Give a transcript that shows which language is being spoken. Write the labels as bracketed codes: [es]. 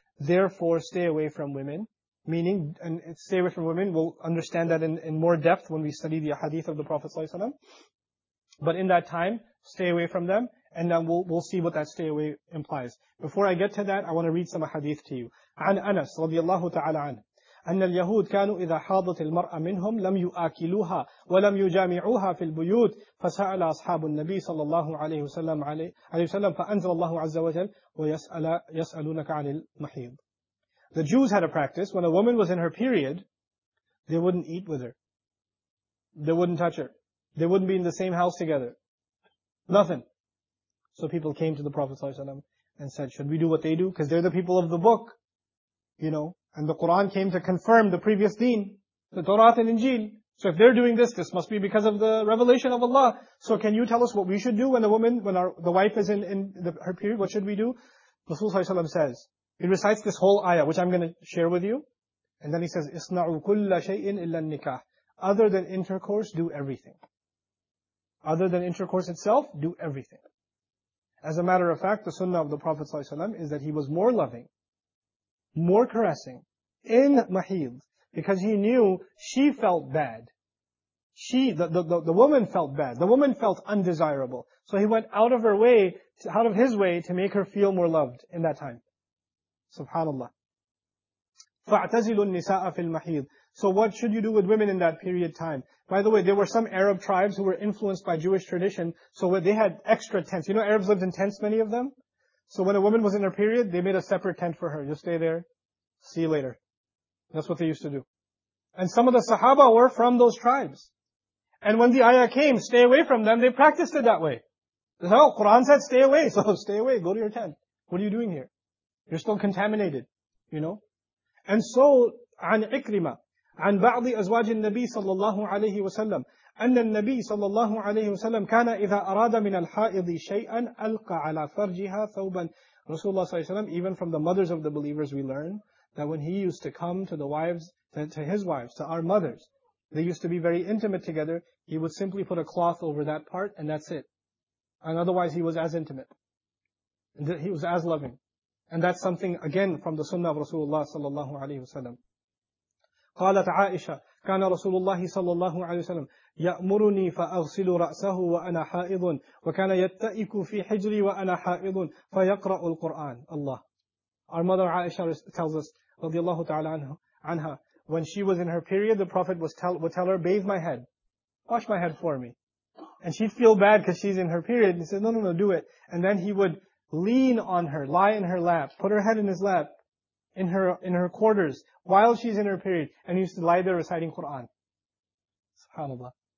[en] Therefore, stay away from women. Meaning, and stay away from women, we'll understand that in more depth when we study the hadith of the Prophet Sallallahu Alaihi Wasallam. But in that time, stay away from them, and then we'll see what that stay away implies. Before I get to that, I want to read some hadith to you. [ar] عن أنس رضي الله تعالى عنه أن اليهود كانوا إذا حاضت المرأة منهم لم يؤكلوها ولم يجامعوها في البيوت فسأل أصحاب النبي صلى الله عليه وسلم فأنزل الله عز وجل ويسألونك عن المحيض. [en] The Jews had a practice, when a woman was in her period, they wouldn't eat with her. They wouldn't touch her. They wouldn't be in the same house together. Nothing. So people came to the Prophet ﷺ and said, should we do what they do? Because they're the people of the book. You know, and the Quran came to confirm the previous deen, the Torah and Injil. So if they're doing this, this must be because of the revelation of Allah. So can you tell us what we should do when a woman, when the wife is in her period, what should we do? Rasulullah ﷺ says, he recites this whole ayah, which I'm going to share with you. And then he says, [ar] إِصْنَعُوا كُلَّ شَيْءٍ إِلَّا النِّكَاحِ. [en] Other than intercourse, do everything. Other than intercourse itself, do everything. As a matter of fact, the sunnah of the Prophet ﷺ is that he was more loving, more caressing, in mahid, because he knew she felt bad. The woman felt bad. The woman felt undesirable. So he went out of his way to make her feel more loved in that time. [ar] Subhanallah. فَاعْتَزِلُوا النِّسَاءَ فِي الْمَحِيدِ. [en] So what should you do with women in that period of time? By the way, there were some Arab tribes who were influenced by Jewish tradition, so they had extra tents. You know, Arabs lived in tents, many of them? So when a woman was in her period, they made a separate tent for her. You stay there, see you later. That's what they used to do. And some of the Sahaba were from those tribes. And when the ayah came, stay away from them, they practiced it that way. No, Quran said stay away, so stay away, go to your tent. What are you doing here? You're still contaminated, you know? And so, [ar] عن إكرمة عن بعض أزواج النبي صلى الله عليه وسلم أن النبي صلى الله عليه وسلم كان إذا أراد من الحائض شيئا ألقى على فرجها ثوبا. رسول الله صلى الله عليه وسلم, [en] even from the mothers of the believers, we learn that when he used to come to the wives, to his wives, to our mothers, they used to be very intimate together, he would simply put a cloth over that part and that's it. And otherwise he was as intimate. He was as loving. And that's something, again, from the sunnah of Rasulullah sallallahu alayhi wa sallam. [ar] قالت عائشة كان رسول الله صلى الله عليه وسلم يأمرني فأغسل رأسه وأنا حائض وكان يتئك في حجري وأنا حائض فيقرأ القرآن. الله. [en] Our mother Aisha tells us, [ar] رضي الله تعالى عنها, [en] when she was in her period, the Prophet would tell her, bathe my head, wash my head for me. And she'd feel bad because she's in her period. And he said, no, do it. And then he would lean on her, lie in her lap, put her head in his lap, in her quarters, while she's in her period, and used to lie there reciting Quran. SubhanAllah.